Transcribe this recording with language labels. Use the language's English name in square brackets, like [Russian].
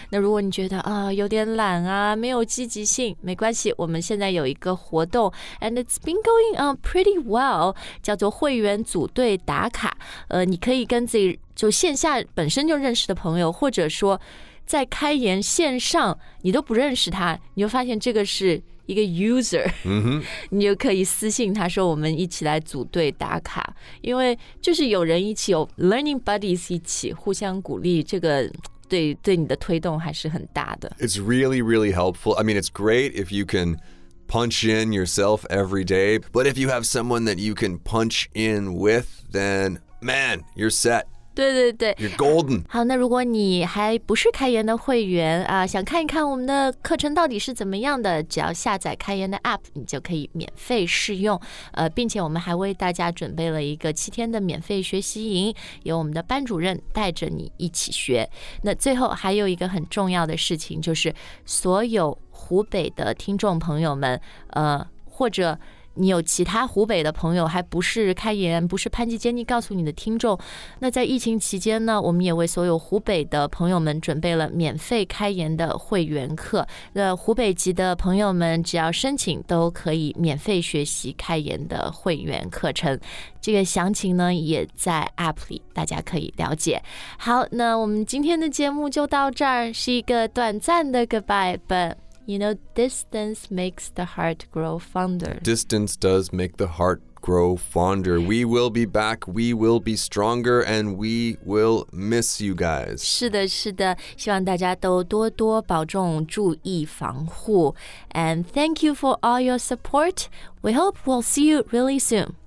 [Chinese] 那如果你觉得啊、有点懒。没有积极性没关系我们现在有一个活动 [English] and it's been going on pretty well [Chinese] 叫做会员组队打卡你可以跟自己就线下本身就认识的朋友或者说在开言线上你都不认识他你就发现这个是一个 user、你就可以私信他说我们一起来组队打卡，因为就是有人一起，有 learning buddies 一起互相鼓励，这个对对你的推动还是很大的。 [English] It's really really helpful. I mean, it's great if you canPunch in yourself every day. But if you have someone that you can punch in with, then man, you're set. [Chinese] 对对对 [English] You're golden. [Chinese] 好，那如果你还不是开源的会员、想看一看我们的课程到底是怎么样的，只要下载开源的 app, 你就可以免费试用、并且我们还为大家准备了一个7天的免费学习营，由我们的班主任带着你一起学。那最后还有一个很重要的事情，就是所有湖北的听众朋友们、或者你有其他湖北的朋友还不是开言不是潘吉坚尼告诉你的听众，那在疫情期间呢，我们也为所有湖北的朋友们准备了免费开言的会员课，那湖北籍的朋友们只要申请都可以免费学习开言的会员课程，这个详情呢也在 APP 里大家可以了解。好，那我们今天的节目就到这儿，是一个短暂的 [English] goodbye, butYou know, distance makes the heart grow fonder. Distance does make the heart grow fonder. We will be back, we will be stronger, and we will miss you guys. [Chinese] 是的，是的，希望大家都多多保重，注意防护。 [English] And thank you for all your support. We hope we'll see you really soon.